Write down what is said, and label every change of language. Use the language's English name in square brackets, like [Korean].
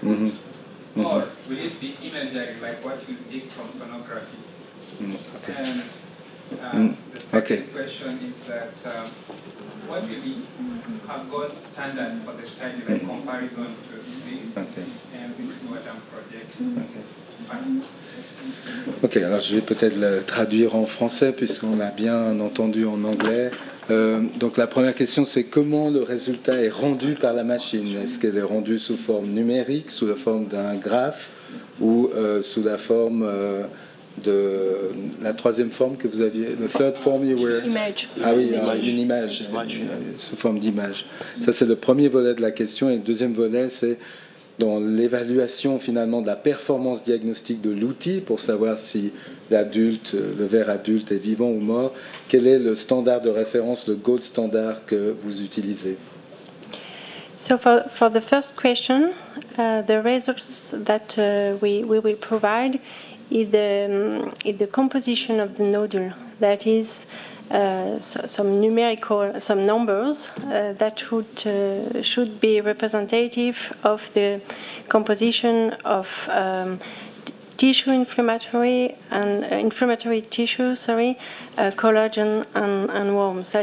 [English] Mm-hmm. Or will it be imagery, like what you did from sonography? The second question is that what will be a gold standard for the study, like comparison to this? And this is what I'm projecting. [French] Ok, alors je vais peut-être le traduire en français puisqu'on l'a bien entendu en anglais. Donc la première question c'est comment le résultat est rendu par la machine. Est-ce qu'elle est rendue sous forme numérique, sous la forme d'un graphe ou sous la forme de la troisième forme que vous aviez, [English] the third form you were. Image. [French] Ah oui, une image, sous forme d'image. Ça c'est le premier volet de la question et le deuxième volet c'est dans l'évaluation finalement de la performance diagnostique de l'outil pour savoir si l'adulte, le ver adulte est vivant ou mort, quel est le standard de référence, le gold standard que vous utilisez? [English] So for the first question, the results that we will provide is the composition of the nodule, that is some numbers that should be representative of the composition of tissue inflammatory and inflammatory tissue, collagen and worms.